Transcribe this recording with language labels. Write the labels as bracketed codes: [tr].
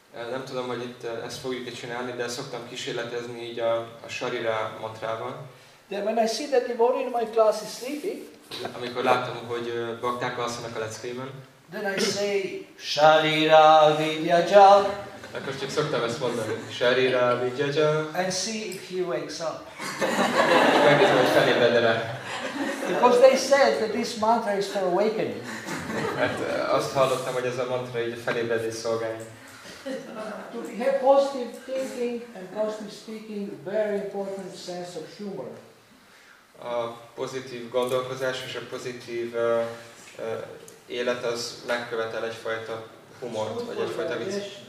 [hu] Nem tudom, hogy itt ezt fogjuk csinálni, de szoktam kísérletezni így a Sarira mantrában. [en] Then when I see that devotee in my class is sleeping, [hu] amikor láttam, hogy bakták alszanak a leckében, [en] then I say, Sarira vidyajal. [hu] Akkor csak szoktam ezt mondani, Sarira vidyajal. [en] And see if he wakes up. [hu] Megnézem, hogy felébred-e rá. [en] Because they said that this mantra is for awakening. [hu] Mert azt hallottam, hogy ez a mantra így a felébredés szolgálja. [en] To have positive thinking and positive speaking, very important sense of humor. [hu] A pozitív gondolkozás és a pozitív élet az megkövetel egyfajta humort, vagy egyfajta vicc.